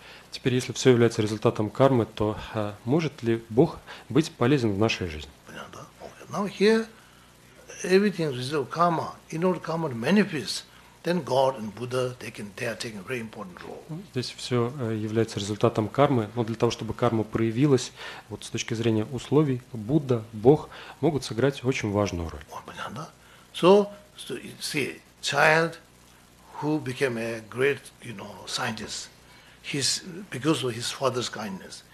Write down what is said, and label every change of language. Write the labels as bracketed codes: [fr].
[ru] Теперь, если все является результатом кармы, то может ли Бог быть полезен в нашей жизни? Понятно, да? [en] Okay. Now here, everything is result of karma. In order karma to manifest, then God and Buddha, they are taking a very important role. [ru] Здесь все является результатом кармы, но для того, чтобы карма проявилась, вот с точки зрения условий, Будда, Бог могут сыграть очень важную роль. Понятно, да? [en] So, see, child who became a great, you know, scientist, he's because of his father's kindness.